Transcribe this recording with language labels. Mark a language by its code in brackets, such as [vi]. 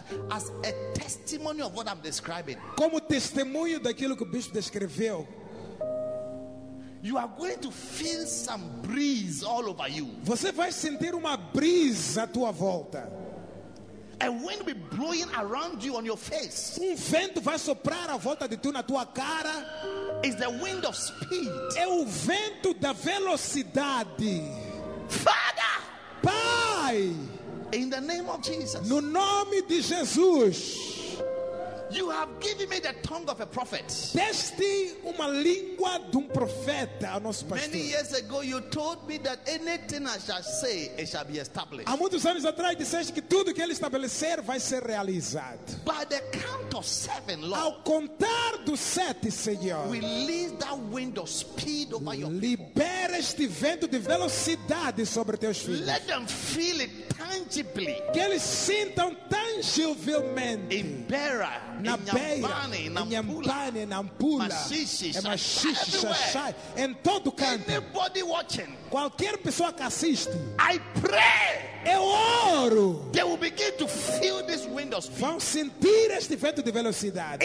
[en] As a testimony of what I'm describing. [pt] Como testemunho daquilo que o bispo descreveu. [en] You are going to feel some breeze all over you. [pt] Você vai sentir uma brisa à tua volta. [en] A wind will be blowing around you on your face. [pt] Um vento vai soprar à volta de tu na tua cara. [en] It's the wind of speed. [pt] É o vento da velocidade. [en] Father, [pt] Pai, [en] in the name of Jesus. [pt] No nome de Jesus. [en] You have given me the tongue of a prophet. [pt] Deste uma língua de profeta ao nosso pastor. [en] Many years ago you told me that anything I shall say it shall be established. [pt] Há muitos anos atrás disseste que tudo que ele estabelecer vai ser realizado. [en] By the count of seven, Lord. [pt] Ao contar do 7, Senhor. [en] Release that wind of speed over your people. [pt] Libera este vento de velocidade sobre teus filhos. [en] Let them feel it tangibly. [pt] Que eles sintam tangivelmente. [en] In Beira. [pt] Na Beira, Nyambane, Nampula, Machixe, Xaxai, em todo canto. [en] Anybody watching, [pt] qualquer pessoa que assiste, [en] I pray, [pt] eu oro. [en] They will begin to feel this wind of speed. [pt] Vão sentir este vento de velocidade.